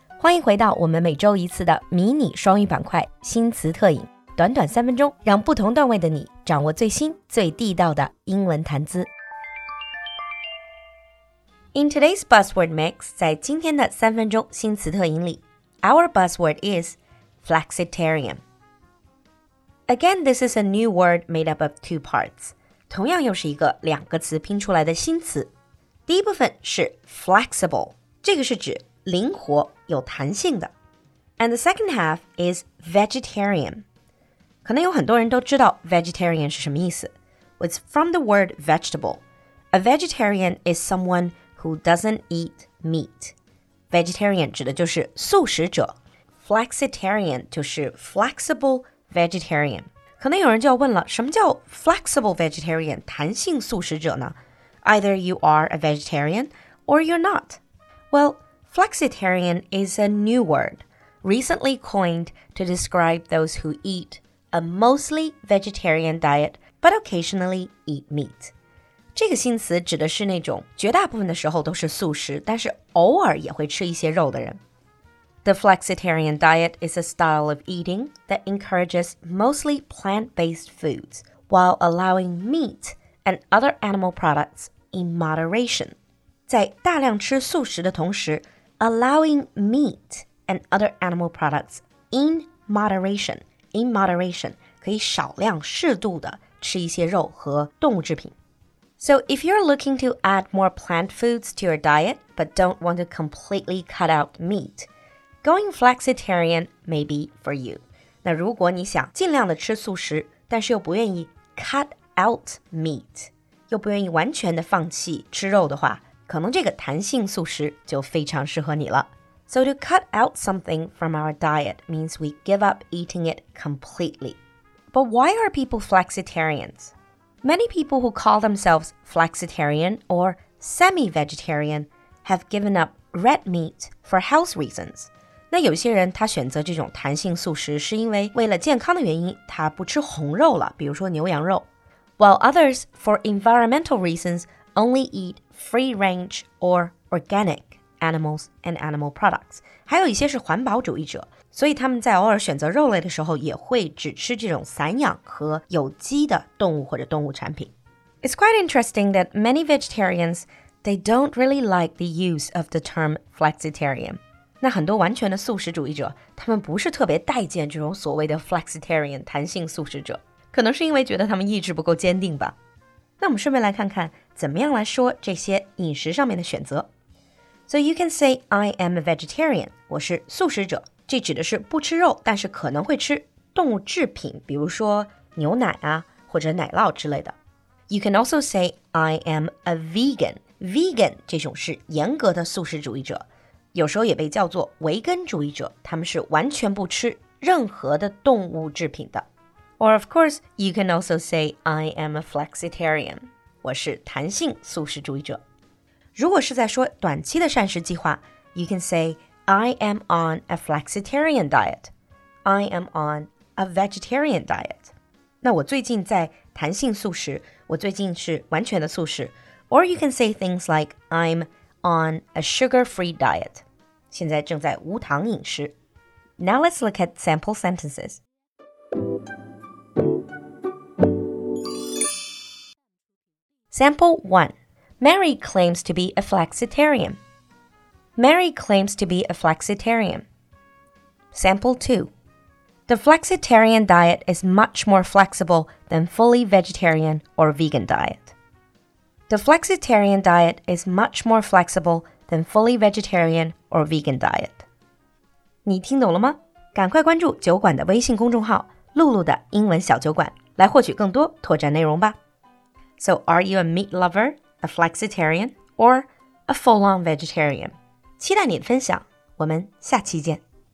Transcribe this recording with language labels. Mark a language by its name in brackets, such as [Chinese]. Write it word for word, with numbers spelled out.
[Chinese] 欢迎回到我们每周一次的迷你双语板块新词特饮，短短三分钟，让不同段位的你掌握最新最地道的英文谈资。 [English] In today's Buzzword Mix, [Chinese] 在今天的三分钟新词特饮里 [English] ，our buzzword is flexitarian. Again, this is a new word made up of two parts. [Chinese] 同样又是一个两个词拼出来的新词。第一部分是 flexible, 这个是指灵活有弹性的。 [English] And the second half is vegetarian. [Chinese] 可能有很多人都知道 vegetarian 是什么意思。 [English] It's from the word vegetable. A vegetarian is someone who doesn't eat meat. [Chinese] Vegetarian 指的就是素食者。Flexitarian 就是 flexible vegetarian. 可能有人就要问了，什么叫 flexible vegetarian, 弹性素食者呢？ [English] Either you are a vegetarian or you're not. Well, flexitarian is a new word, recently coined to describe those who eat a mostly vegetarian diet, but occasionally eat meat. [Chinese] 这个新词指的是那种绝大部分的时候都是素食，但是偶尔也会吃一些肉的人。 [English] The flexitarian diet is a style of eating that encourages mostly plant-based foods, while allowing meat and other animal products in moderation. [Chinese] 在大量吃素食的同时 [English] allowing meat and other animal products in moderation. In moderation, [Chinese] 可以少量适度的吃一些肉和动物制品。 [English] So if you're looking to add more plant foods to your diet, but don't want to completely cut out meat, going flexitarian may be for you. [Chinese] 那如果你想尽量的吃素食，但是又不愿意 [English] cut out meat, [Chinese] 又不愿意完全的放弃吃肉的话，可能这个弹性素食就非常适合你了。 [English] So to cut out something from our diet means we give up eating it completely. But why are people flexitarians? Many people who call themselves flexitarian or semi-vegetarian have given up red meat for health reasons. [Chinese] 那有些人他选择这种弹性素食是因为为了健康的原因，他不吃红肉了，比如说牛羊肉。 [English] While others, for environmental reasons, only eat free-range or organic animals and animal products. [Chinese] 还有一些是环保主义者，所以他们在偶尔选择肉类的时候，也会只吃这种散养和有机的动物或者动物产品。 [English] It's quite interesting that many vegetarians, they don't really like the use of the term flexitarian. [Chinese] 那很多完全的素食主义者，他们不是特别待见这种所谓的 flexitarian 弹性素食者。可能是因为觉得他们意志不够坚定吧。那我们顺便来看看怎么样来说这些饮食上面的选择。 [English] So you can say, I am a vegetarian. [Chinese] 我是素食者。这指的是不吃肉，但是可能会吃动物制品，比如说牛奶啊，或者奶酪之类的。 [English] You can also say, I am a vegan. [Chinese] Vegan 这种是严格的素食主义者，有时候也被叫做维根主义者，他们是完全不吃任何的动物制品的。 [English] Or of course, you can also say, I am a flexitarian. [Chinese] 我是弹性素食主义者。如果是在说短期的膳食计划， [English] you can say, I am on a flexitarian diet. I am on a vegetarian diet. [Chinese] 那我最近在弹性素食，我最近是完全的素食。 [English] Or you can say things like, I'm on a sugar-free diet. [Chinese] 现在正在无糖饮食。 [English] Now let's look at sample sentences. Sample one. Mary claims to be a flexitarian. Mary claims to be a flexitarian. Sample two. The flexitarian diet is much more flexible than fully vegetarian or vegan diet. The flexitarian diet is much more flexible than fully vegetarian or vegan diet. [Chinese] 你听懂了吗？赶快关注酒馆的微信公众号“露露的英文小酒馆”，来获取更多拓展内容吧。 [English] So are you a meat lover, a flexitarian, or a full-on vegetarian? [Chinese] 期待你的分享，我们下期见。